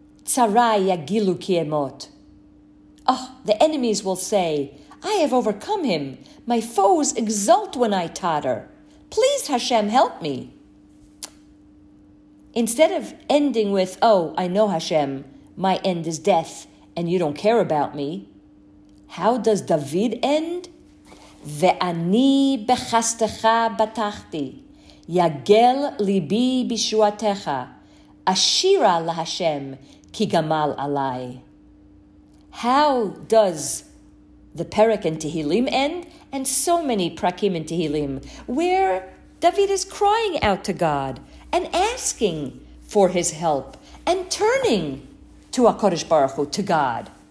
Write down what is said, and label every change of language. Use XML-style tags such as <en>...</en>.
<he>Tzarai yagilu ki emot.</he> <en>Oh, the enemies will say, I have overcome him. My foes exult when I totter. Please, Hashem, help me. Instead of ending with, oh, I know, Hashem, my end is death, and you don't care about me, how does David end?</en> <he>ואני בחסדך בטחתי, יגל ליבי בישועתך, אשירה להשם כי גמל עליי.</he> <en>How does the perek in Tehillim end, and so many prakim in Tehillim, where David is crying out to God and asking for his help and turning to HaKadosh Baruch Hu, to God?</en>